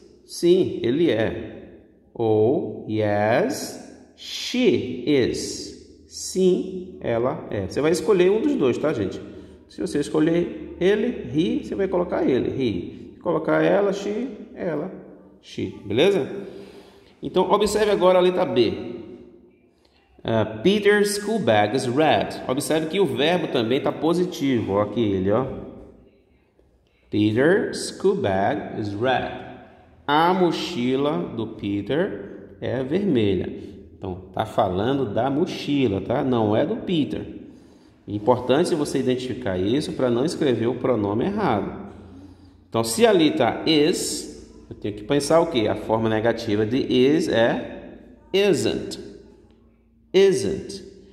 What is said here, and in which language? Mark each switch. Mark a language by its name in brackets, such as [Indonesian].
[Portuguese] Sim, ele é. Ou, [English] yes, she is. [Portuguese] Sim, ela é. Você vai escolher um dos dois, tá, gente? Se você escolher ele, he, você vai colocar ele, he. Colocar ela, she, beleza? Então, observe agora a letra B. [English] Peter's school bag is red. [Portuguese] Observe que o verbo também está positivo. Olha aqui ele, ó. [English] Peter's school bag is red. [Portuguese] A mochila do Peter é vermelha. Então, está falando da mochila, tá? Não é do Peter. Importante você identificar isso para não escrever o pronome errado. Então, se ali está is, eu tenho que pensar o quê? A forma negativa de is é isn't. Isn't.